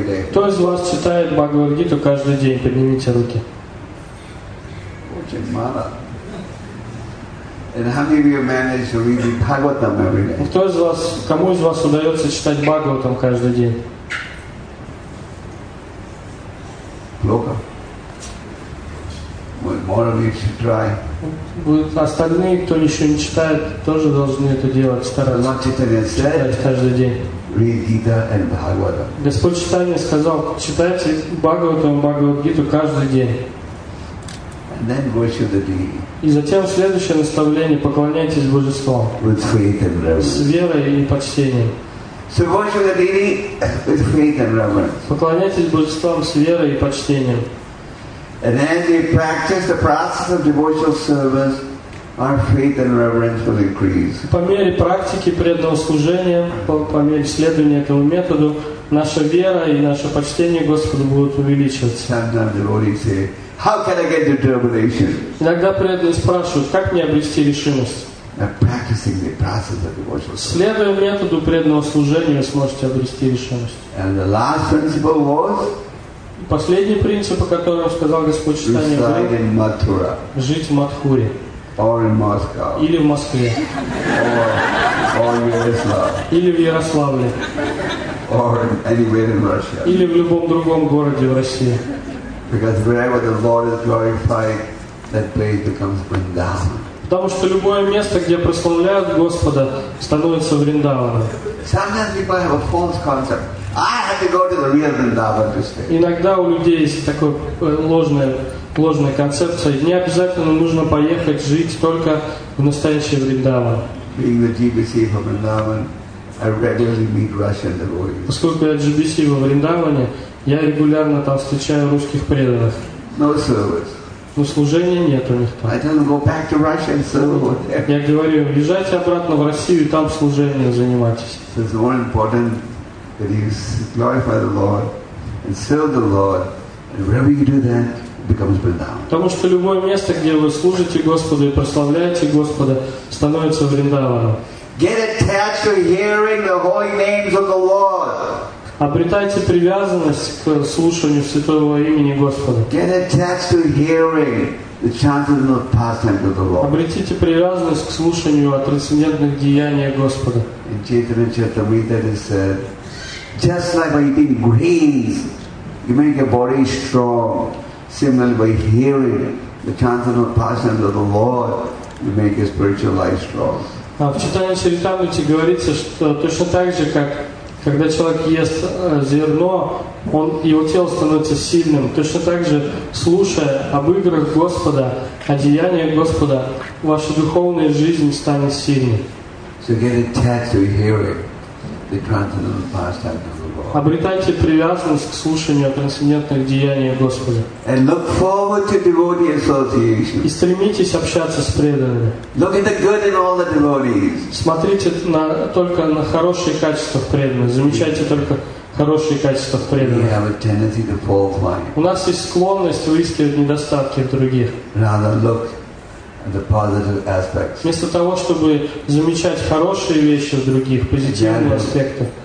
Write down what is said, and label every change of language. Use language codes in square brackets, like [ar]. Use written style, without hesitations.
[ru] Кто из вас читает Бхагавад-гиту каждый день? Поднимите руки. Очень мало. [en] And how many of you manage to read Bhagavatam every day? [ru] Кто из вас, кому из вас удается читать Бхагаватам каждый день? Плохо. [en] More of you should try. [ru] Остальные, кто еще не читает, тоже должны это делать, стараться читать каждый день. [en] read Gita and Bhagavata. [ru] Господь Читания сказал, читайте Бхагаватам, Бхагавадгиту каждый день. [en] And then worship the deity. [ru] И затем следующее наставление, поклоняйтесь Божеству. [en] With faith and reverence. [ru] С верой и почтением. [en] So worship the deity with faith and reverence. [ru] Поклоняйтесь Божеству с верой и почтением. [en] And then they practice the process of devotional service. Our faith and reverence will increase. [ru] По мере практики преданного служения, по мере следования этому методу, наша вера и наше почтение Господу будут увеличиваться. [en] Sometimes devotees say, "How can I get the determination?" [ru] Иногда преданные спрашивают, как мне обрести решимость. [en] By practicing the process of devotional service. [ru] Следуя методу преданного служения, сможете обрести решимость. [en] And the last principle was. [ru] Последний принцип, о котором сказал Господь Читания, жить в Матхуре. [en] Or in Moscow. [ru] Или в Москве. [en] Or in Ярославле. [ru] Или в Ярославле. [en] Or anywhere in Russia. [ru] Или в любом другом городе в России. [en] Because wherever the Lord is glorified, that place becomes Vrindavan. [ru] Потому что любое место, где прославляют Господа, становится Вриндаваном. [en] Sometimes people have a false concept. I have to go to the real Vrindavan to stay. [ru] Иногда у людей есть такое ложная концепция. Не обязательно нужно поехать жить только в настоящий Вриндаван. [en] Being the GBC from Vrindavan, I regularly meet Russian devotees. [ru] Поскольку я GBC во Вриндаване, я регулярно там встречаю русских преданных. [en] No service. [ru] Но служения нет у них там. [en] I tell them, go back to Russia and serve over there. [ru] Я говорю, езжайте обратно в Россию и там служением занимайтесь. [en] So it's more important that you glorify the Lord and serve the Lord, and wherever you do that. [ru] Потому что любое место, где вы служите Господу и прославляете Господа, становится Вриндаваном. [en] Get attached to hearing the holy names of the Lord. [ru] Обретайте привязанность к слушанию святого имени Господа. [en] Get attached to hearing the chanting of pastimes of the Lord. [ru] Обретите привязанность к слушанию о трансцендентных деяниях Господа. [en] In Chaitanya Charitamrita it is said, just like by eating greens, you make your body strong. Similarly, by hearing the chanting of pastimes of the Lord, you make your spiritual life strong. [ru] В читании Чаритамрити говорится, что точно так же, как когда человек ест зерно, он его тело становится сильным. Точно так же, слушая об играх Господа, о деяниях Господа, ваша духовная жизнь станет сильной. [en] So get attached to hearing the chanting of pastimes. [ru] Обретайте привязанность к слушанию о трансцендентных деяниях Господа. [en] And look forward to devotee association. [ru] И стремитесь общаться с преданными. [en] Look at the good in all the devotees. [ru] Смотрите только на хорошие качества преданных. Замечайте только хорошие качества преданных. [en] We have a tendency to fall blind. [ru] У нас есть склонность выискивать недостатки в других. [en] Rather look at the positive aspects. [ru] Вместо того, чтобы замечать хорошие вещи в других, позитивные аспекты.